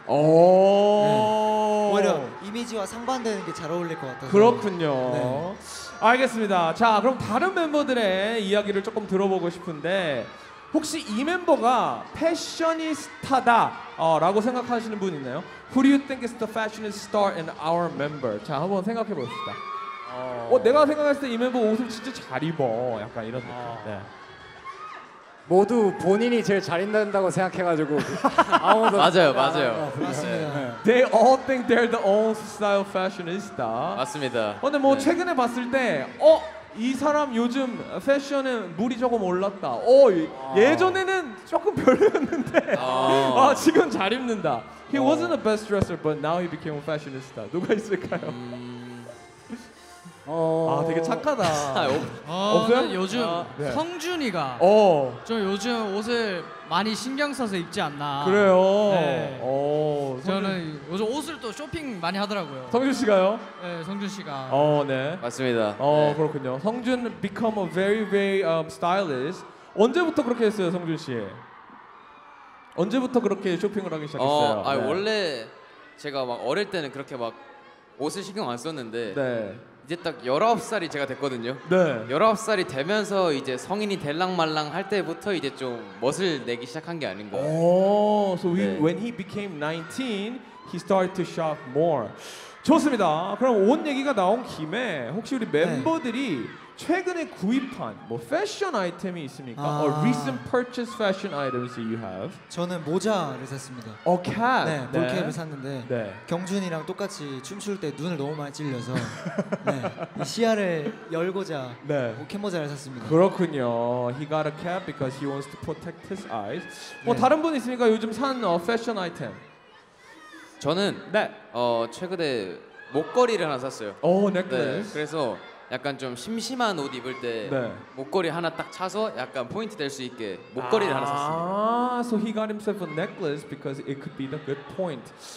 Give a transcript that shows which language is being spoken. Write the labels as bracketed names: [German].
[Korean] 오~ 오히려 이미지와 상반되는 게 잘 어울릴 것 같아서. 그렇군요. 네. 알겠습니다. 자, 그럼 다른 멤버들의 이야기를 조금 들어보고 싶은데 혹시 이 멤버가 패셔니스타다 라고 생각하시는 분 있나요? [English] Who do you think is the fashionista star in our member? [Korean] 자, 한번 생각해 봅시다. 내가 생각했을 때 이 멤버 옷을 진짜 잘 입어. 약간 이런 느낌. 네. 모두 본인이 제일 잘 입는다고 생각해가지고 아무도 맞아요, 맞아요. 맞습니다. [English] They all think they're the own style fashionista. [Korean] 맞습니다. 근데 뭐 네. 최근에 봤을 때 이 사람 요즘 패션에 물이 조금 올랐다. 예전에는 조금 별로였는데 지금 잘 입는다. [English] He wasn't the best dresser, but now he became a fashionista. [Korean] 누가 있을까요? 아 되게 착하다. 없어요? 요즘 성준이가 좀 요즘 옷을 많이 신경 써서 입지 않나. 그래요? 네. 저는 요즘 옷을 또 쇼핑 많이 하더라고요. 성준 씨가요? 네, 성준 씨가. 네. 맞습니다. 그렇군요. [English] 성준 become a very very stylist. [Korean] 언제부터 그렇게 했어요, 성준 씨? 언제부터 그렇게 쇼핑을 하기 시작했어요? 네. 원래 제가 막 어릴 때는 그렇게 막 옷을 신경 안 썼는데 네. 이제 딱 19살이 제가 됐거든요. 네. 19살이 되면서 이제 성인이 될랑 말랑 할 때부터 이제 좀 멋을 내기 시작한 게 아닌가. [English] So he, 네. when he became 19, he started to shop more. [Korean] 좋습니다. 그럼 옷 얘기가 나온 김에 혹시 우리 멤버들이 네. 최근에 구입한 뭐 패션 아이템이 있습니까? [English] A recent purchase fashion items that you have? [Korean] 저는 모자를 샀습니다. [English] A cap? [Korean] 네, 볼캡을 네. 샀는데 네. 경준이랑 똑같이 춤출 때 눈을 너무 많이 찔려서 네, 이 시야를 열고자 네. 캡 모자를 샀습니다. 그렇군요. [English] He got a cap because he wants to protect his eyes. [Korean] 뭐 네. 다른 분 있습니까? 요즘 산 패션 아이템. 저는 네. 최근에 목걸이를 하나 샀어요. 오, 넥클레스. 네, 그래서 약간 좀 심심한 옷 입을 때 네. 목걸이 하나 딱 차서 약간 포인트 될 수 있게 목걸이를 하나 샀습니다. [English] So he got himself a necklace because it could be the good point.